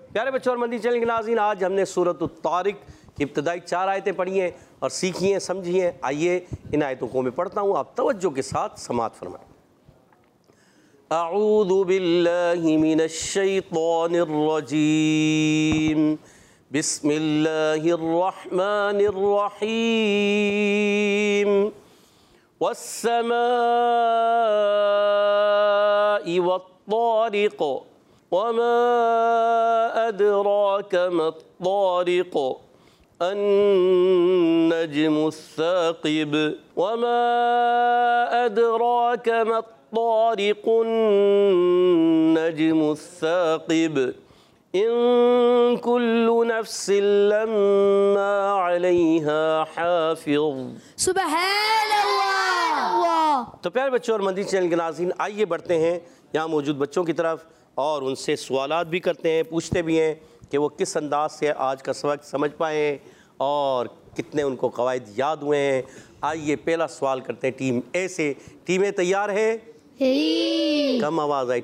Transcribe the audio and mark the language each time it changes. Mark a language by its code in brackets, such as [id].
[ur] پیارے بچوں اور مدنی چینل کے ناظرین، آج ہم نے سورۃ الطارق کی ابتدائی چار آیتیں پڑھی ہیں اور سیکھی ہیں، سمجھی ہیں. آئیے ان آیتوں کو میں پڑھتا ہوں، آپ توجہ کے ساتھ سماعت فرمائیں. [ar] اعوذ باللہ من الشیطان الرجیم، بسم اللہ الرحمن الرحیم، والسماء والطارق، وما أدراك ما الطارق، النجم الثاقب، وما أدراك ما الطارق النجم الثاقب، إن كل نفس لما عليها حافظ. [ur] سبحان اللہ. تو پیارے بچوں اور مدنی چینل کے ناظرین، آئیے بڑھتے ہیں یہاں موجود بچوں کی طرف اور ان سے سوالات بھی کرتے ہیں، پوچھتے بھی ہیں کہ وہ کس انداز سے آج کا سبق سمجھ پائے اور کتنے ان کو قواعد یاد ہوئے ہیں. آئیے پہلا سوال کرتے ہیں ٹیم اے سے. ٹیمیں تیار ہیں؟ کم آواز آئی.